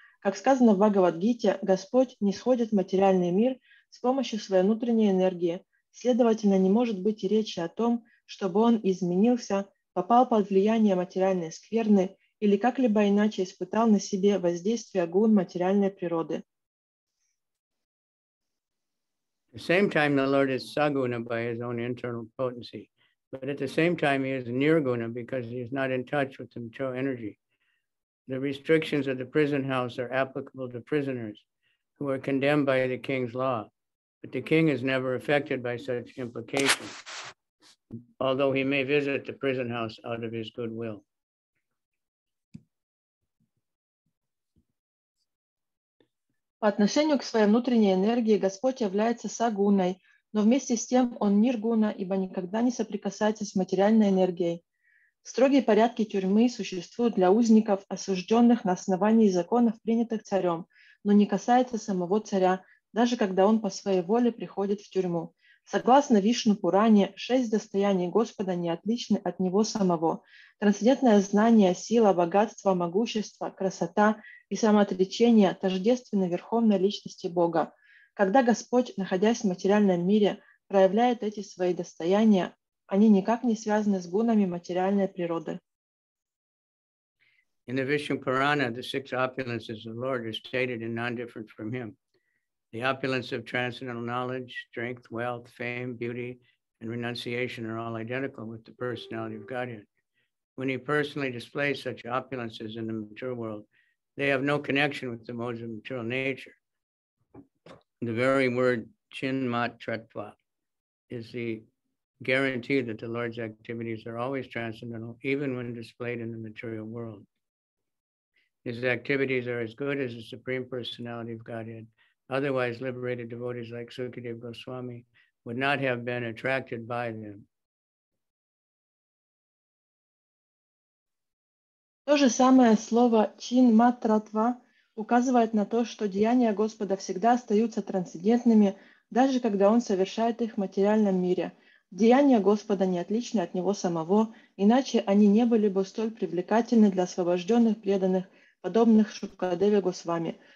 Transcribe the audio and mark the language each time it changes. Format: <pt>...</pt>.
<ru>Как сказано в Бхагавадгите, Господь нисходит в материальный мир с помощью своей внутренней энергии, следовательно, не может быть и речи о том, чтобы Он изменился, попал под влияние материальной скверны или как-либо иначе испытал на себе воздействие гун материальной природы.</ru> <en>At the same time, the Lord is saguna by his own internal potency, but at the same time, he is nirguna because he is not in touch with the material energy. The restrictions of the prison house are applicable to prisoners who are condemned by the king's law, but the king is never affected by such implications, although he may visit the prison house out of his goodwill.</en> <ru>По отношению к своей внутренней энергии Господь является сагуной, но вместе с тем он ниргуна, ибо никогда не соприкасается с материальной энергией. Строгие порядки тюрьмы существуют для узников, осужденных на основании законов, принятых царем, но не касается самого царя, даже когда он по своей воле приходит в тюрьму. Согласно Вишну Пуране, 6 достояний Господа не отличны от него самого. Трансцендентное знание, сила, богатство, могущество, красота и самоотречение тождественны Верховной Личности Бога. Когда Господь, находясь в материальном мире, проявляет эти свои достояния, Они никак не связаны с гунами материальной природы.</ru> <en>In the Vishnu Purana, the six opulences of the Lord are stated in non-different from him. The opulence of transcendental knowledge, strength, wealth, fame, beauty, and renunciation are all identical with the personality of Godhead. When he personally displays such opulences in the material world, they have no connection with the modes of material nature. The very word chinmatratva is the guarantee that the Lord's activities are always transcendental, even when displayed in the material world. His activities are as good as the Supreme Personality of Godhead. Otherwise, liberated devotees like Sukadeva Goswami would not have been attracted by them.</en> <ru>То же самое слово «чинматратва» указывает на то, что деяния Господа всегда остаются трансцендентными, даже когда Он совершает их в материальном мире. Деяния Господа не отличны от Него самого, иначе они не были бы столь привлекательны для освобожденных преданных, подобных Шукадеве Госвами.</ru>